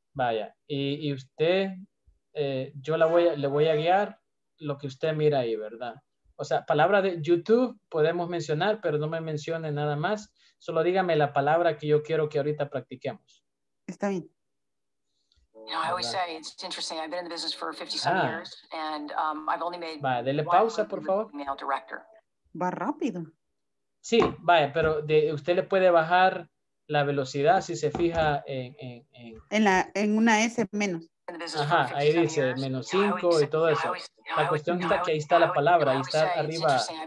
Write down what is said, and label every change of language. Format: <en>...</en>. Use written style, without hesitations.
<es>Vaya, y usted, yo le voy a guiar lo que usted mira ahí, ¿verdad? O sea, palabra de YouTube podemos mencionar, pero no me mencione nada más. Solo dígame la palabra que yo quiero que ahorita practiquemos. Está bien.</es> <en>You know, I always say it's interesting. I've been in the business for 57 years, and I've only made.</en> <es>Vaya, dele pausa, por favor.</es> <en>Email director.</en> <es>Va rápido. Sí, vaya, pero usted le puede bajar la velocidad si se fija en una S menos. Ajá, ahí dice menos 5 y todo eso. La cuestión está que ahí está la palabra, ahí está arriba.</es>